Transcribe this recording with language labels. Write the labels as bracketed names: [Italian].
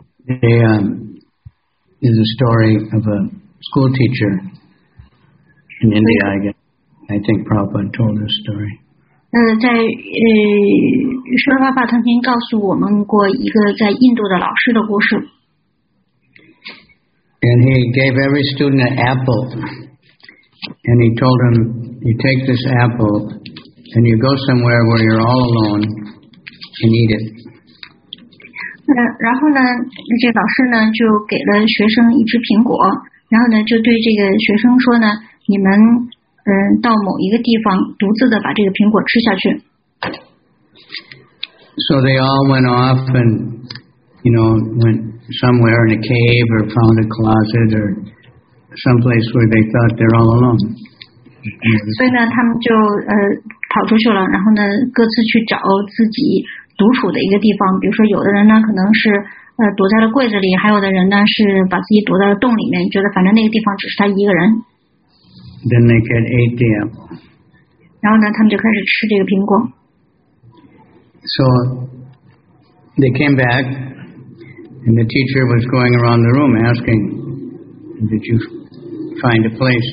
[English] There is a story of a school teacher in India, I guess. I think Prabhupada told this story. [Chinese] 舍拉巴曾经告诉我们过一个在印度的老师的故事。 [English] And he gave every student an apple. And he told him, you take this apple, and you go somewhere where you're all alone, and eat it. [Chinese] 然后呢，这老师呢，就给了学生一只苹果，然后呢，就对这个学生说呢，你们到某一个地方独自的把这个苹果吃下去。 [English] So they all went off and, went somewhere in a cave or found a closet or someplace where they thought they're all alone. [Chinese] 所以呢，他们就跑出去了，然后呢，各自去找自己独处的一个地方。比如说，有的人呢，可能是躲在了柜子里，还有的人呢，是把自己躲在了洞里面，觉得反正那个地方只是他一个人。 [English] Then they could eat the apple. [Chinese] 然后呢，他们就开始吃这个苹果。 [English] So they came back, and the teacher was going around the room asking, "Did you find a place?"